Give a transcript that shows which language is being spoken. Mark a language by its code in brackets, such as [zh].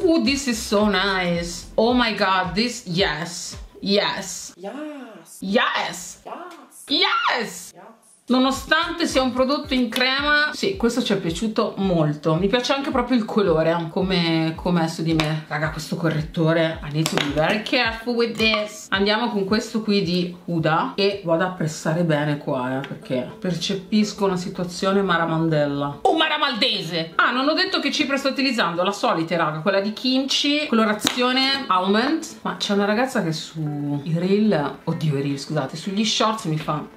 [en] This is so nice. Oh my god, this, yes. Yes. Yes. Yes. Yes. Yes. [it] Nonostante sia un prodotto in crema, sì, questo ci è piaciuto molto. Mi piace anche proprio il colore, come è su di me. Raga, questo correttore, [en] I need to be very careful with this. [it] Andiamo con questo qui di Huda e vado a pressare bene qua, perché percepisco una situazione maramandella. Oh, maramaldese! Ah, non ho detto che cipria sto utilizzando, la solita, raga, quella di Kimchi, colorazione Almond. Ma c'è una ragazza che su i reel, oddio i reel, scusate, sugli shorts mi fa...